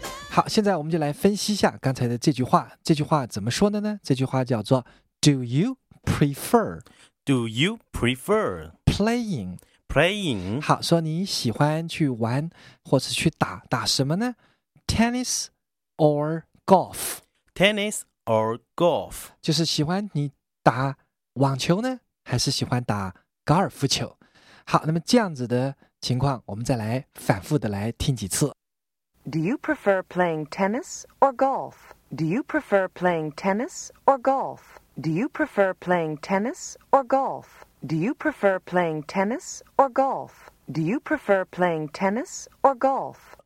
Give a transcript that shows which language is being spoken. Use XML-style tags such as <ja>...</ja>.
<zh>好，现在我们就来分析一下刚才的这句话，这句话怎么说的呢？这句话叫做</zh> <en>Do you prefer? Do you prefer? Playing. Playing.</en> <zh>好，说你喜欢去玩或是去打，打什么呢？</zh> <en>Tennis or golf? Tennis or golf.</en> <zh>就是喜欢你打网球呢，还是喜欢打高尔夫球？好，那么这样子的情况，我们再来反复的来听几次。</zh> <en>Do you prefer playing tennis or golf? Do you prefer playing tennis or golf? Do you prefer playing tennis or golf? Do you prefer playing tennis or golf? Do you prefer playing tennis or golf?</en>